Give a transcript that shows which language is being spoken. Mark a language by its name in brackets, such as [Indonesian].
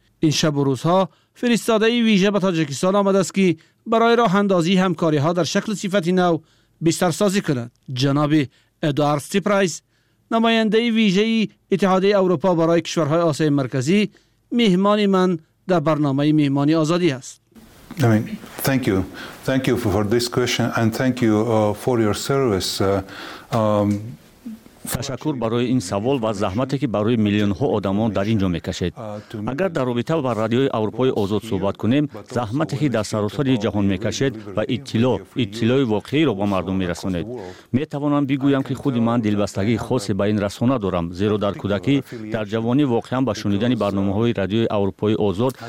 [Persian] این شب و روزها فرستاده ویژه به تاجیکستان آمده است که برای راه اندازی همکاری ها در شکل صفت نو بیشتر سازی کند. جناب ادوارد سیپرایس نماینده ویژه اتحادیه اروپا برای کشورهای آسیای مرکزی مهمان من در برنامه مهمانی آزادی است. [English] Thank you for this question and thank you for your service. [Persian] تشکر برای این سوال و زحمتی که برای میلیون ها آدمان در اینجا میکشید. اگر در رابطه با رادیوی اروپای آزاد صحبت کنیم، زحمتی که در سراسر جهان میکشید و اطلاع واقعی را به مردم میرسانید. میتوانم بگویم که خود من دلبستگی خاصی به این رسانه دارم، زیرا در کودکی در جوانی واقعا به شنیدن برنامه های رادیوی اروپای آزاد